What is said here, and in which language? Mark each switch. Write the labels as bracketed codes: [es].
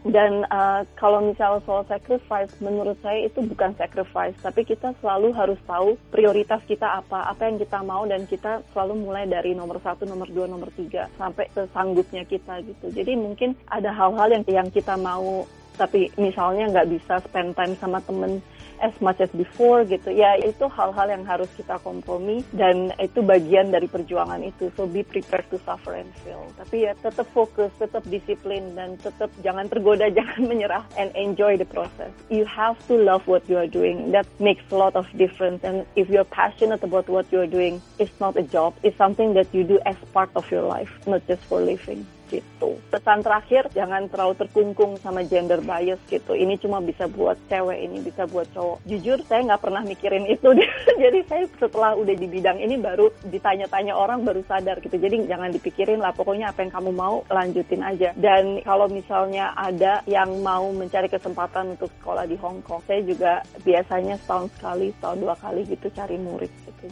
[id] Dan kalau misalnya soal sacrifice, menurut saya itu bukan sacrifice, tapi kita selalu harus tahu prioritas kita apa, apa yang kita mau, dan kita selalu mulai dari nomor 1, nomor 2, nomor 3 sampai sesanggupnya kita gitu. Jadi mungkin ada hal-hal yang kita mau, tapi misalnya nggak bisa [en] spend time [id] sama temen [en] as much as before [id] gitu. Ya itu hal-hal yang harus kita kompromi, dan itu bagian dari perjuangan itu. [en] So be prepared to suffer and fail. [id] Tapi ya tetap fokus, tetap disiplin, dan tetap jangan tergoda, jangan menyerah, [en] and enjoy the process. You have to love what you are doing. That makes a lot of difference. And if you're passionate about what you are doing, it's not a job. It's something that you do as part of your life, not just for living. [id] Gitu. Pesan terakhir, jangan terlalu terkungkung sama gender bias gitu. Ini cuma bisa buat cewek, ini bisa buat cowok. Jujur, saya nggak pernah mikirin itu. Jadi saya setelah udah di bidang ini, baru ditanya-tanya orang, baru sadar gitu. Jadi jangan dipikirin lah, pokoknya apa yang kamu mau, lanjutin aja. Dan kalau misalnya ada yang mau mencari kesempatan untuk sekolah di Hong Kong, saya juga biasanya setahun sekali, setahun dua kali gitu cari murid gitu.